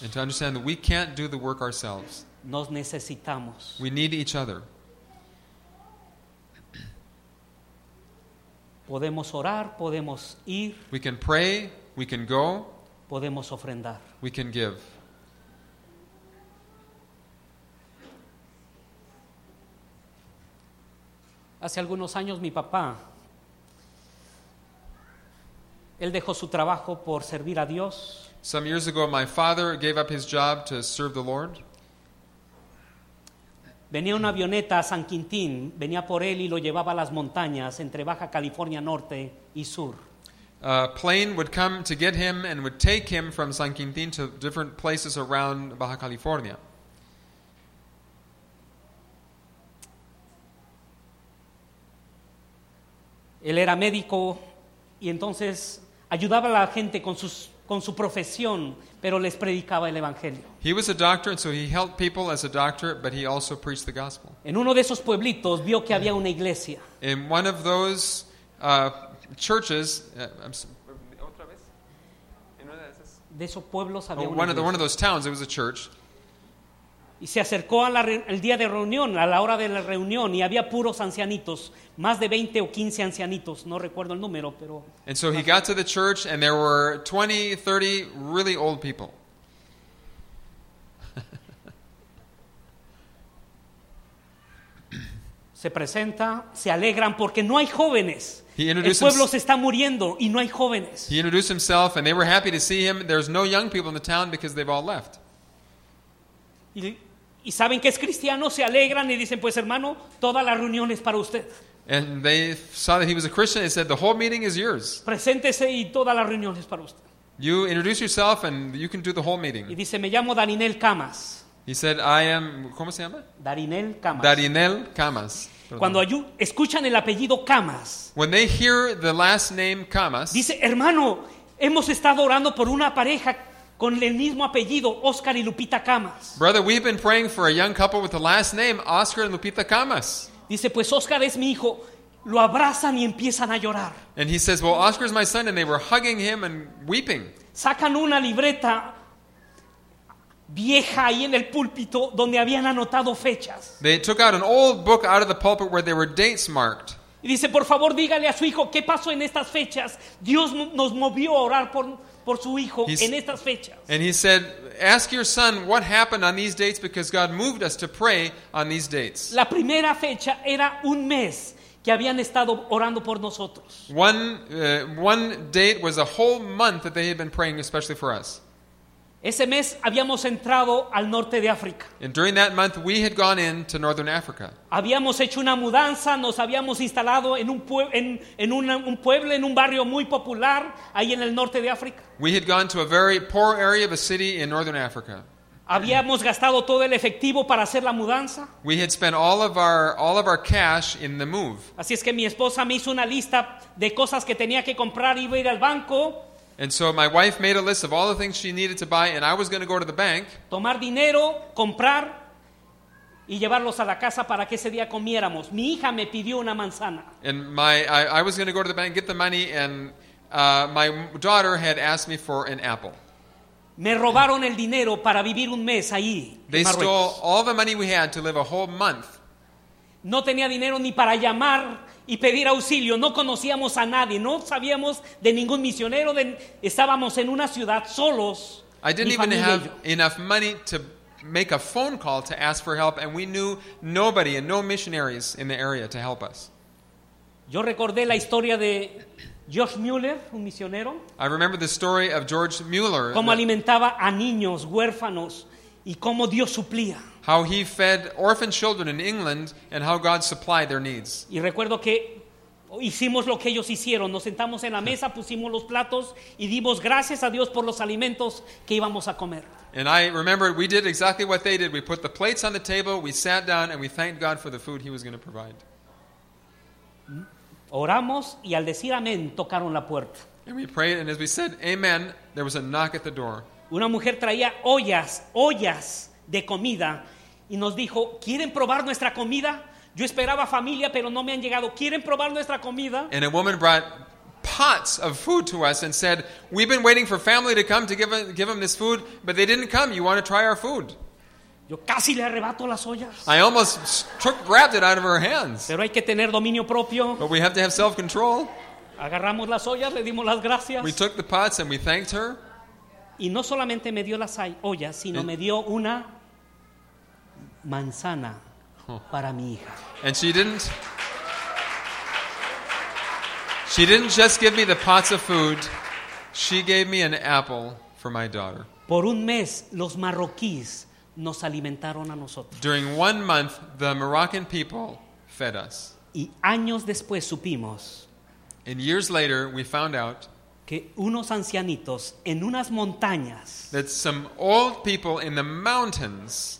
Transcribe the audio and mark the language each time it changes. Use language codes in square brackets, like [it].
[en] And to understand that we can't do the work ourselves. [es] Nos necesitamos. [en] We need each other. [es] Podemos orar, podemos ir. [en] We can pray, we can go. [es] Podemos ofrendar. [en] We can give. [es] Hace algunos años mi papá, él dejó su trabajo por servir a Dios. [en] Some years ago, my father gave up his job to serve the Lord. [es] Venía una avioneta a San Quintín, venía por él y lo llevaba a las montañas entre Baja California Norte y Sur. [en] A plane would come to get him and would take him from San Quintín to different places around Baja California. [es] Él era médico y entonces ayudaba a la gente con su profesión, pero les predicaba el evangelio. [en] He was a doctor, and so he helped people as a doctor, but he also preached the gospel. [es] En uno de esos pueblitos vio que había una iglesia. [en] In one of those churches, [es] otra vez. En una de esos pueblos había una. [en] One of those towns, it was a church. [es] Y se acercó al día de reunión, a la hora de la reunión, y había puros ancianitos, más de 20 o 15 ancianitos, no recuerdo el número, pero... [en] And so he got to the church, and there were 20, 30 really old people. [es] Se presenta, se alegran, porque no hay jóvenes. El pueblo se está muriendo, y no hay jóvenes. [en] He introduced himself, and they were happy to see him. There's no young people in the town, because they've all left. [es] Y saben que es cristiano, se alegran y dicen, pues hermano, toda la reunión es para usted. [en] And they saw that he was a Christian and said, the whole meeting is yours. [es] Preséntese y toda la reunión es para usted. [en] You introduce yourself and you can do the whole meeting. [es] Y dice, me llamo Darinel Camas. [en] He said, I am, [es] ¿cómo se llama? Darinel Camas. [en] Darinel Camas. [es] Cuando escuchan el apellido Camas. [en] When they hear the last name Camas. [es] Dice, hermano, hemos estado orando por una pareja con el mismo apellido, Oscar y Lupita Camas. [en] Brother, we've been praying for a young couple with the last name, Oscar and Lupita Camas. [es] Dice, pues Oscar es mi hijo. Lo abrazan y empiezan a llorar. [en] And he says, well, Oscar is my son, and they were hugging him and weeping. [es] Sacan una libreta vieja ahí en el púlpito donde habían anotado fechas. [en] They took out an old book out of the pulpit where there were dates marked. [es] Y dice, por favor, dígale a su hijo, ¿qué pasó en estas fechas? Dios nos movió a orar por su hijo en estas fechas. [en] And he said, ask your son what happened on these dates because God moved us to pray on these dates. [es] La primera fecha era un mes que habían estado orando por nosotros. [en] One date was a whole month that they had been praying especially for us. [es] Ese mes habíamos entrado al norte de África. [en] And during that month we had gone into northern Africa. [es] Habíamos hecho una mudanza, nos habíamos instalado en un pueblo, en un barrio muy popular ahí en el norte de África. [en] We had gone to a very poor area of a city in northern Africa. [es] Habíamos gastado todo el efectivo para hacer la mudanza. [en] We had spent all of our cash in the move. [es] Así es que mi esposa me hizo una lista de cosas que tenía que comprar y iba a ir al banco. [en] And so my wife made a list of all the things she needed to buy, and I was going to go to the bank. [es] Tomar dinero, comprar y llevarlos a la casa para que ese día comiéramos. Mi hija me pidió una manzana. [en] And I was going to go to the bank, get the money, and my daughter had asked me for an apple. [es] Me robaron el dinero para vivir un mes ahí. [en] They stole all the money we had to live a whole month. [es] No tenía dinero ni para llamar y pedir auxilio. No conocíamos a nadie, no sabíamos de ningún misionero, estábamos en una ciudad solos. [en] I didn't even have enough money to make a phone call to ask for help, and we knew nobody and no missionaries in the area to help us. [es] Yo recordé la historia de Josh Mueller, un misionero. [en] I remember the story of George Mueller. [es] Cómo alimentaba a niños huérfanos y cómo Dios suplía. [en] How he fed orphan children in England and how God supplied their needs. [es] Y recuerdo que Hicimos lo que ellos hicieron, nos sentamos en la mesa, pusimos los platos y dimos gracias a Dios por los alimentos que íbamos a comer. [en] And I remember we did exactly what they did. We put the plates on the table, we sat down and we thanked God for the food he was going to provide. [es] Oramos y al decir amén tocaron la puerta. [en] And we prayed and as we said amen, there was a knock at the door. [es] Una mujer traía ollas de comida y nos dijo, ¿quieren probar nuestra comida? Yo esperaba familia, pero no me han llegado. ¿Quieren probar nuestra comida? [en] And a woman brought pots of food to us and said, we've been waiting for family to come to give them this food, but they didn't come. You want to try our food? [es] Yo casi le arrebato las ollas. [en] I almost grabbed it out of her hands. [es] Pero hay que tener dominio propio. [en] But we have to have self-control. [es] Agarramos las ollas, le dimos las gracias. [en] We took the pots and we thanked her. [es] Y no solamente me dio las ollas, sino me dio una manzana. Para mi hija. [en] And she didn't just give me the pots of food, she gave me an apple for my daughter. [es] Por un mes, los marroquíes nos alimentaron a nosotros. [en] During 1 month, the Moroccan people fed us. [es] Y años después supimos, [en] and years later, we found out [es] que unos ancianitos en unas montañas, [en] that some old people in the mountains,